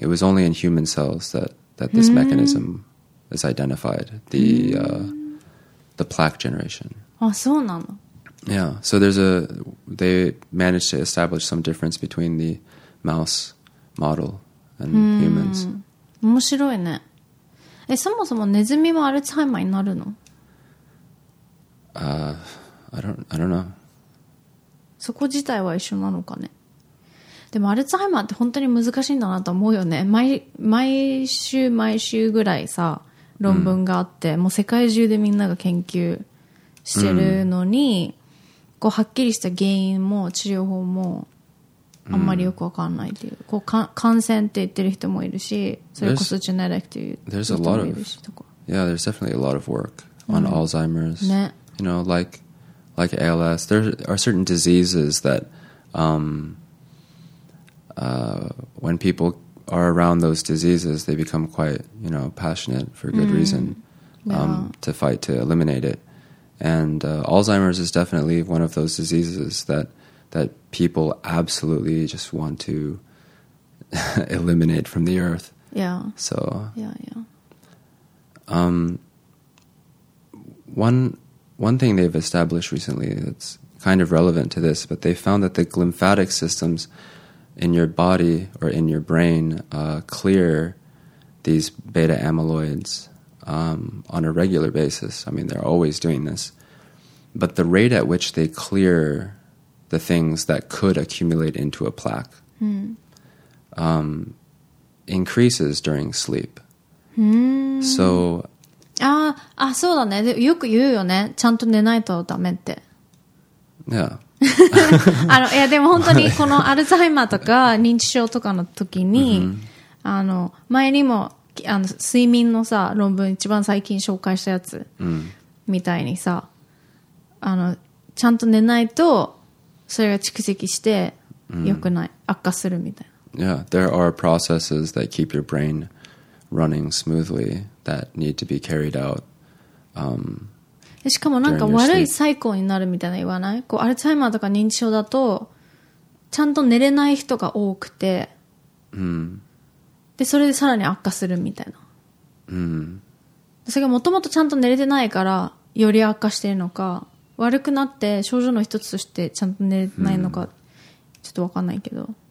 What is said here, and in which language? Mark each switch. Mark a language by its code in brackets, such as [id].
[en] It was only in human cells that this mechanism is identified, the plaque generation. Oh, so [ja] なの? [en] Yeah, so they managed to establish some difference between the mouse model and humans. [ja] 面白いね。え、そもそもネズミもアルツハイマーになるの? [en] I don't know. [ja] そこ自体は一緒なのかね。でもアルツハイマーって本当に難しいんだなと思うよね。毎週ぐらいさ、論文があって、もう世界中でみんなが研究してるのに、こうはっきりした原因も治療法もあんまりよくわかんないっていう。こう感染って言ってる人もいるし、それこそジェネレックっていう人もいるし。 [en] There's definitely a lot of work on Alzheimer's. [ja] ね。 [en] You know, like ALS, there are certain diseases that when people are around those diseases, they become quite, you know, passionate for good reason to fight to eliminate it. And Alzheimer's is definitely one of those diseases that people absolutely just want to eliminate from the earth. Yeah. So. Yeah. One thing they've established recently that's kind of relevant to this, but they found that the glymphatic systems in your body or in your brain clear these beta amyloids on a regular basis. I mean, they're always doing this. But the rate at which they clear the things that could accumulate into a plaque increases during sleep. So... [ja] ああ、そうだね。よく言うよね。ちゃんと寝ないとダメって。 [en] Yeah. [ja] あの、いや、でも本当にこのアルツハイマーとか認知症とかの時に、あの、前にも、あの、睡眠のさ、論文一番最近紹介したやつ、みたいにさ、あの、ちゃんと寝ないと、それが蓄積して、良くない。悪化するみたいな。 [en] Yeah, there are processes that keep your brain running smoothly that need to be carried out. [ja] しかもなんか悪いサイクルになるみたいな言わない？こうアルツハイマーとか認知症だとちゃんと寝れない人が多くて、でそれでさらに悪化するみたいな。それがもともとちゃんと寝れてないからより悪化してるのか、悪くなって症状の一つとしてちゃんと寝れないのか、ちょっと分かんないけど。